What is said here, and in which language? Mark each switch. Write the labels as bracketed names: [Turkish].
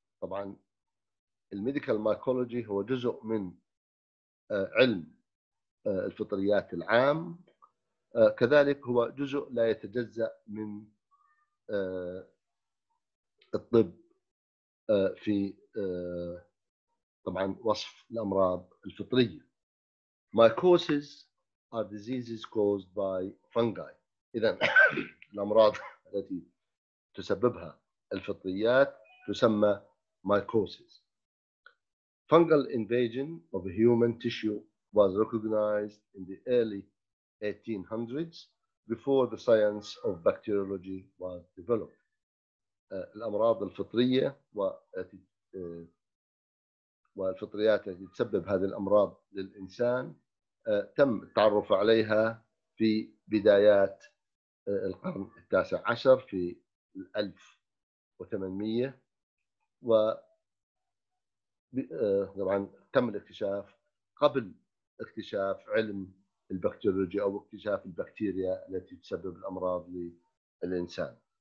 [Arabic] طبعا الميديكال مايكولوجي هو جزء من علم الفطريات العام، كذلك هو جزء لا يتجزأ من الطب في طبعا وصف الأمراض الفطرية. [English] Mycoses are diseases caused by fungi. [Arabic] إذن الأمراض التي تسببها الفطريات تسمى mycoses. [English] Fungal invasion of human tissue was recognized in the early 1800s before the science of bacteriology was developed. [Arabic] الأمراض الفطرية والفطريات التي تسبب هذه الأمراض للإنسان تم التعرف عليها في بدايات القرن التاسع عشر في 1800، و طبعا تم الاكتشاف قبل اكتشاف علم البكتيريولوجيا أو اكتشاف البكتيريا التي تسبب الأمراض للإنسان.